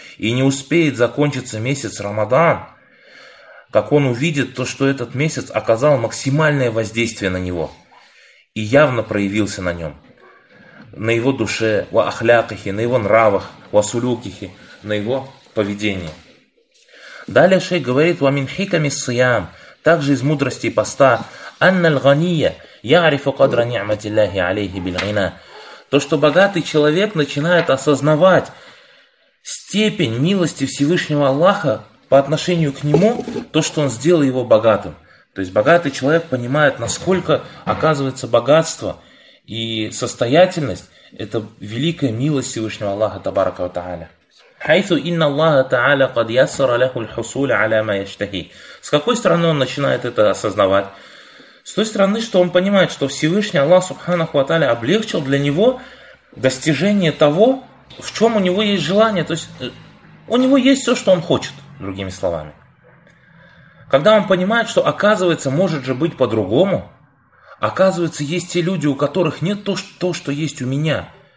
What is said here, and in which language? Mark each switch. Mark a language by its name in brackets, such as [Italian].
[Russian] И не успеет закончиться месяц Рамадан, как он увидит то, что этот месяц оказал максимальное воздействие на него и явно проявился на нем, на его душе, [Arabic] وَأَخْلَاقِهِ, [Russian] на его нравах, [Arabic] وَسُلُوكِهِ, [Russian] на его поведении. Далее шейх говорит, [Arabic] وَمِنْ حِكَمِ الصِّيَامِ, [Russian] также из мудрости поста, [Arabic] أَنَّ الْغَنِيَّ يَعْرِفُ قَدْرَ نِعْمَةِ اللَّهِ عَلَيْهِ بِالْغِنَى. [Russian] То, что богатый человек начинает осознавать степень милости Всевышнего Аллаха по отношению к нему, то, что он сделал его богатым. То есть богатый человек понимает, насколько оказывается богатство и состоятельность – это великая милость Всевышнего Аллаха, табарака ва тааля. [Arabic] حيث إن الله تعالى قد يسر له الحصول على ما يشتهي. [Russian] С какой стороны он начинает это осознавать? С той стороны, что он понимает, что Всевышний Аллах Субханаху ва Тааля облегчил для него достижение того, в чем у него есть желание. То есть у него есть все, что он хочет, другими словами. Когда он понимает, что оказывается, может же быть по-другому, оказывается, есть те люди, у которых нет то, что есть у меня.